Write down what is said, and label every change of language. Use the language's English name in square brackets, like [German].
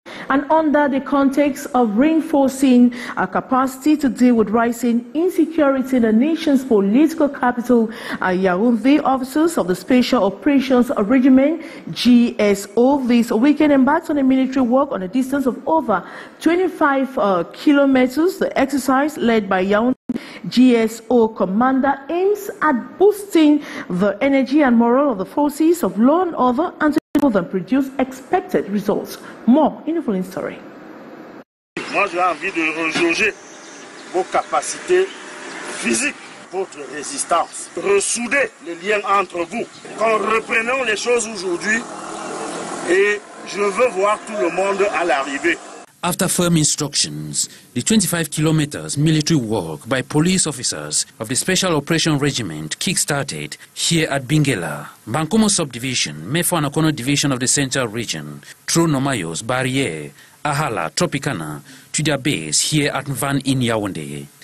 [English] And under the context of reinforcing our capacity to deal with rising insecurity in the nation's political capital, Yaoundé officers of the Special Operations Regiment, GSO, this weekend embarked on a military walk on a distance of over 25 kilometers. The exercise, led by Yaoundé GSO commander, aims at boosting the energy and morale of the forces of law and order and to than produce expected results. More in the following story. [French] Moi, j'ai envie de rejauger vos capacités physiques, votre résistance. Ressouder les liens entre vous. Qu'on reprenons les choses aujourd'hui et je veux voir tout le monde à l'arrivée. [English] After firm instructions, the 25 kilometers military walk by police officers of the Special Operation Regiment kick-started here at Bingela, Bankomo Subdivision, Mefo and Okono Division of the Central Region, through Nomayos, Barriere, Ahala, Tropicana, to their base here at Van in Yaoundé.